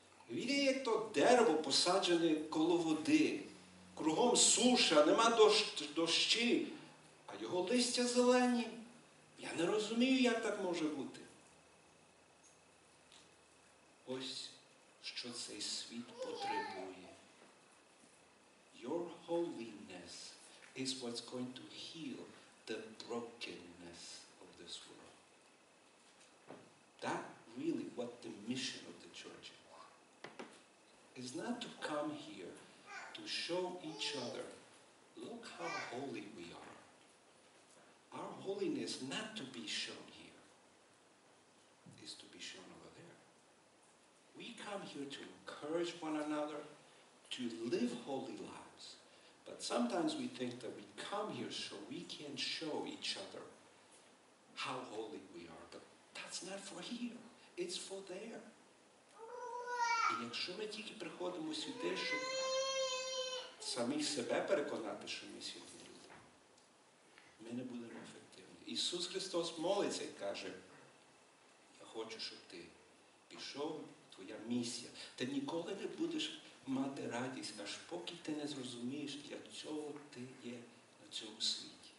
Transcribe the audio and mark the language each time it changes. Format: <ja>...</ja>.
<uk>Він є як то дерево посаджене коло води. Кругом суша, нема дощі. А його листя зелені. Я не розумію, як так може бути. Ось, що цей світ потребує.</uk> <en>Your holiness is what's going to heal the brokenness of this world. That really what the mission of the church is. It's not to come here to show each other, look how holy we are. Our holiness not to be shown here, is to be shown over there. We come here to encourage one another to live holy lives. But sometimes we think that we come here so we can show each other how holy we are. But that's not for here. It's for there.</en> <uk>І якщо ми тільки приходимо сюди, щоб самих себе переконати, що ми святі люди, ми не будемо ефективні. Ісус Христос молиться і каже, я хочу, щоб ти пішов, твоя місія. Ти ніколи не будеш мати радість, аж поки ти не зрозумієш, для чого ти є на цьому світі.</uk>